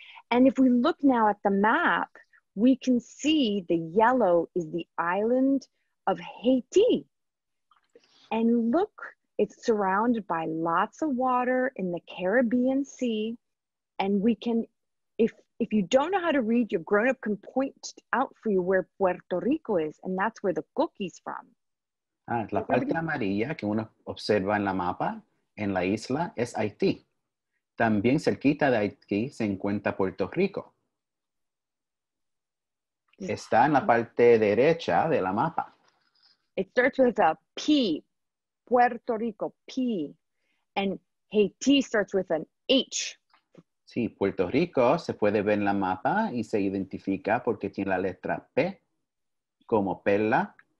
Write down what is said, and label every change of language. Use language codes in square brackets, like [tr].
[en] And if we look now at the map, we can see the yellow is the island of Haiti. And look, it's surrounded by lots of water in the Caribbean Sea. And we can, if you don't know how to read, your grown-up can point out for you where Puerto Rico is, and that's where the Coquí's from. [es] La parte amarilla que uno observa en la mapa, en la isla, es Haití. También cerquita de Haití se encuentra Puerto Rico. Está en la parte derecha de la mapa. [en] It starts with a P, Puerto Rico, P. And Haiti starts with an H. [es] Sí, Puerto Rico se puede ver en la mapa y se identifica porque tiene la letra P como perla.